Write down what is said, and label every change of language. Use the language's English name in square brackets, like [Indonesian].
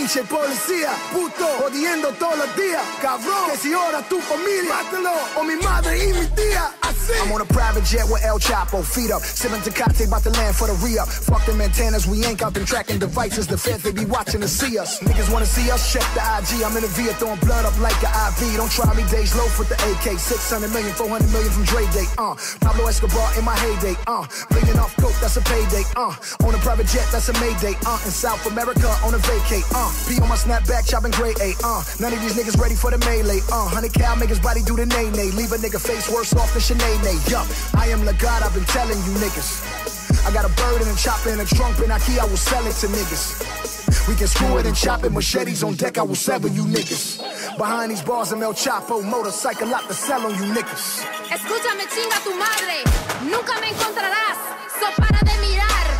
[Spanish] Policía, puto, jodiendo todos los días, cabrón, que si ahora tu familia, mátalo, o mi madre y mi tía. [English] I'm on a private jet with El Chapo, feet up, sipping Tecate, about to land for the re-up. Fuck them antennas, we ain't got them tracking devices. The feds, they be watching to see us. Niggas wanna see us, check the IG. I'm in a via throwing blood up like an IV. Don't try me, Dej Loaf with the AK. 600 million, 400 million from Dre Day, Pablo Escobar in my heyday, bleeding off coke, that's a payday, on a private jet, that's a mayday, in South America, on a vacay, be on my snapback, chopping gray A, none of these niggas ready for the melee, 100 cal, make his body do the nay-nay. Leave a nigga face worse off than Chanel. Nay, nay, yup. I am the God, I've been telling you niggas. I got a bird and a chopper and a trunk and a key, I will sell it to niggas. We can screw it and chop it, machetes on deck, I will sever you niggas. Behind these bars, I'm El Chapo, motorcycle lot to sell on you niggas. [Spanish] Escúchame, chinga tu madre, nunca me encontrarás, so para de mirar.